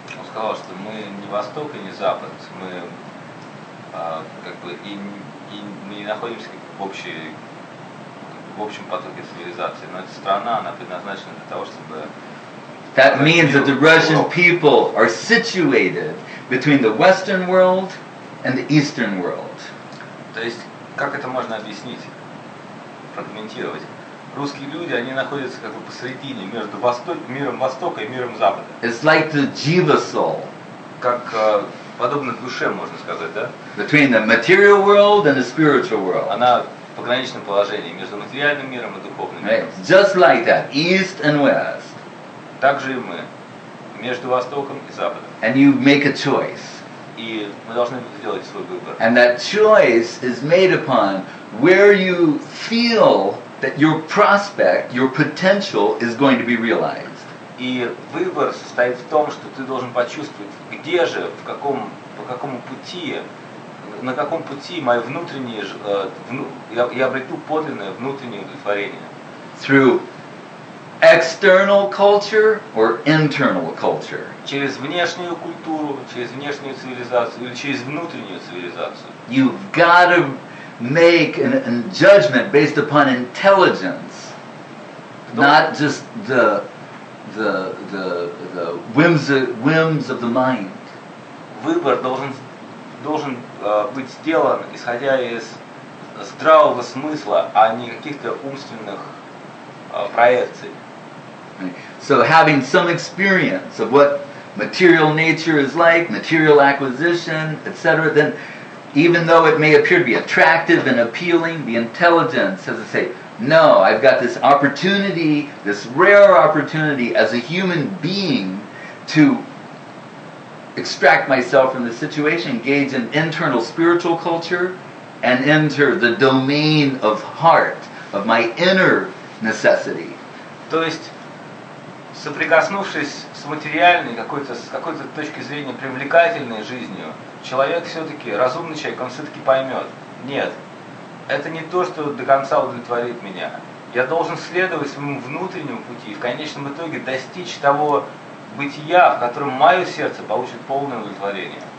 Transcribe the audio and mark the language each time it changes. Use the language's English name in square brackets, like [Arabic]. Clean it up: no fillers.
[Russian] Сказал, что мы не Восток и не Запад, мы как бы и мы не находимся в общем потоке цивилизации, но эта страна, она предназначена для того, чтобы. [English] That means that the Russian people are situated between the Western world and the Eastern world. [Russian] То есть, как это можно объяснить, прокомментировать? Русские люди, они находятся как бы посредине между миром Востока и миром Запада. [English] It's like the jiva soul. [Russian] Как подобно душе, можно сказать, да? [English] Between the material world and the spiritual world. [Russian] Она в пограничном положении между материальным миром и духовным [English] right. [Russian] миром. [English] Just like that, East and West. [Russian] Так же и мы, между Востоком и Западом. [English] And you make a choice. [Russian] И мы должны сделать свой выбор. [English] And that choice is made upon where you feel that your prospect, your potential is going to be realized. [Russian] И выбор состоит в том, что ты должен почувствовать, где же, в каком, по какому пути, на каком пути мой внутренний, я обрету подлинное внутреннее удовлетворение. [English] Through external culture or internal culture? [Russian] Через внешнюю культуру, через внешнюю цивилизацию или через внутреннюю цивилизацию? [English] You've got to make a judgment based upon intelligence, not just the whims of the mind. [Russian] Выбор должен быть сделан исходя из здравого смысла, а не каких-то умственных проекций. [English] So having some experience of what material nature is like, material acquisition, etc., then even though it may appear to be attractive and appealing, the intelligence, as I say, No, I've got this opportunity, this rare opportunity as a human being to extract myself from the situation, engage in internal spiritual culture, and enter the domain of heart, of my inner necessity. [Russian] То есть, соприкоснувшись с материальной какой-то, с какой-то точки зрения привлекательной жизнью, человек все-таки, разумный человек, он все-таки поймет, нет, это не то, что до конца удовлетворит меня. Я должен следовать своему внутреннему пути и в конечном итоге достичь того бытия, в котором мое сердце получит полное удовлетворение.